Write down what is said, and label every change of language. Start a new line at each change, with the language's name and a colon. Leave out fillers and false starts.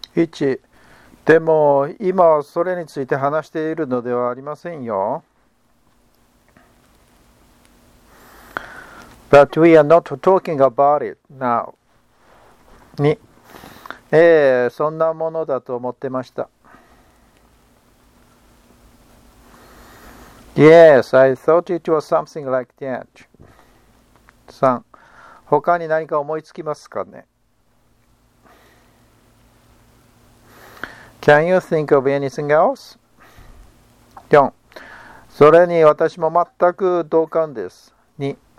Japanese: 一、でも今はそれについて話しているのではありませんよ。
English: But we are not talking about it now.
Japanese: 二、そんなものだと思ってました。
English: Yes, I thought it was something like that.
Japanese: 三、他に何か思いつきますかね。
English: Can you think of anything else? 4.
Japanese: それに私も全く同感です。 2.